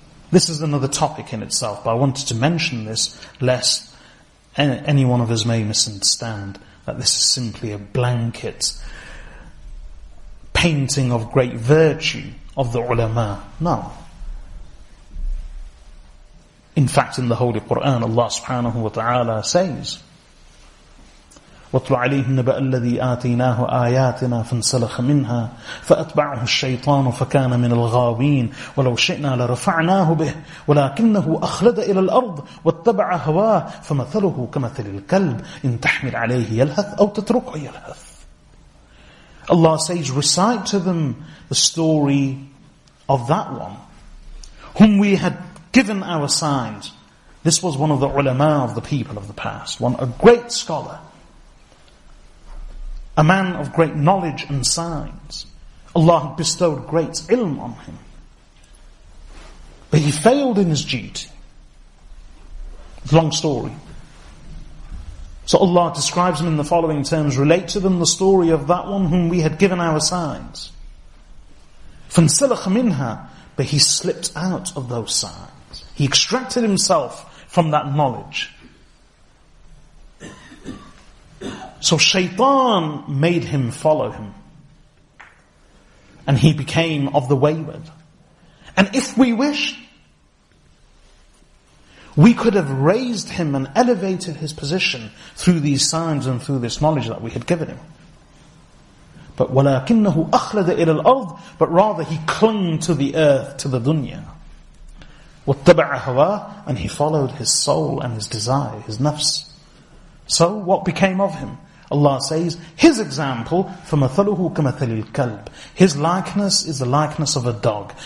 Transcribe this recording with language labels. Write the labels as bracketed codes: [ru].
[en] This is another topic in itself, but I wanted to mention this lest any one of us may misunderstand that this is simply a blanket painting of great virtue of the ulama. No. In fact, in the Holy Quran, Allah subhanahu wa ta'ala says, [ar] وَاتْلُ عَلَيْهِمْ نَبَأَ الَّذِي آتَيْنَاهُ آيَاتِنَا فَانْسَلَخَ مِنْهَا فَأَتْبَعَهُ الشَّيْطَانُ فَكَانَ مِنَ الْغَاوِينَ وَلَوْ شِئْنَا لَرَفَعْنَاهُ بِهِ وَلَكِنَّهُ أَخْلَدَ إِلَى الْأَرْضِ وَاتَّبَعَ هَوَاهُ فَمَثَلُهُ كَمَثَلِ الْكَلْبِ إِنْ تَحْمِلْ عَلَيْهِ يَلْهَثْ أَوْ تَتْرُكْهُ يَلْهَثْ. [en] Allah says, recite to them the story of that one whom we had given our signs. This was one of the ulama of the people of the past, one a great scholar, a man of great knowledge and signs. Allah bestowed great ilm on him. But he failed in his duty. Long story. So Allah describes him in the following terms. Relate to them the story of that one whom we had given our signs. [ar] فَانْسَلَخَ مِنْهَا. [en] But he slipped out of those signs. He extracted himself from that knowledge. So shaitan made him follow him. And he became of the wayward. And if we wish, we could have raised him and elevated his position through these signs and through this knowledge that we had given him. But [ar] وَلَكِنَّهُ أَخْلَدَ إِلَى الْأَرْضِ. [en] But rather he clung to the earth, to the dunya. [ar] وَاتَّبَعَ هَوَاهُ. [en] And he followed his soul and his desire, his nafs. So what became of him? Allah says, his example, [ar] فَمَثَلُهُ كَمَثَلِ الْكَلْبِ. [en] His likeness is the likeness of a dog.